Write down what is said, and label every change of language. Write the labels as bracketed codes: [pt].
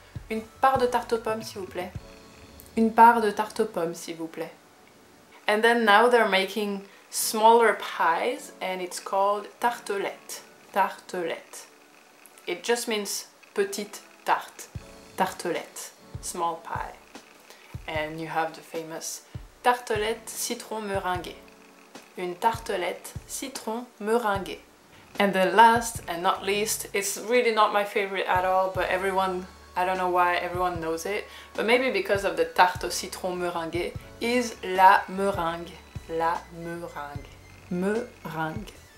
[fr] Une part de tarte aux pommes, s'il vous plaît. Une part de tarte aux pommes, s'il vous plaît. [en] And then now they're making smaller pies and it's called tartelette. Tartelette. It just means petite tarte. Tartelette. Small pie. And you have the famous tartelette citron meringuée. [fr] Une tartelette citron meringuée. [en] And the last and not least, it's really not my favorite at all, but everyone, I don't know why everyone knows it, but maybe because of the tarte au citron meringuée, is la meringue. [fr] La meringue. Meringue.